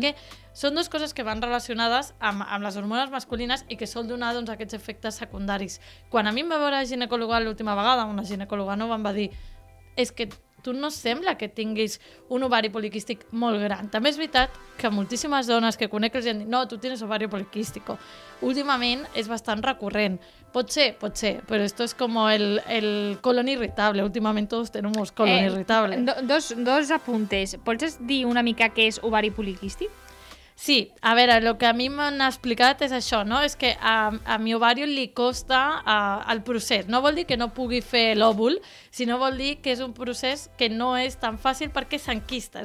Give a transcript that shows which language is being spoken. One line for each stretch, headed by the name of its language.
Catalan: perquè són dues coses que van relacionades amb les hormones masculines i que sol donar doncs, aquests efectes secundaris. Quan a mi em va veure ginecòloga l'última vegada, una ginecòloga nova em va dir, és que tu no sembla que tinguis un ovari poliquístic molt gran. També és veritat que moltíssimes dones que conec els han dit, no, tu tens ovari poliquístico. Últimament és bastant recurrent. Pot ser,
Spanish: però esto es como el colon irritable. Últimament todos tenemos colon irritable. Dos apuntes.
Catalan: ¿Pots dir una mica què és ovari poliquístic? Sí, a veure, el que a mi m'han explicat és això, no? És que a mi ovari li costa el procés. No vol dir que no pugui fer l'òvul, sinó vol dir que és un procés que no és tan fàcil perquè s'enquista.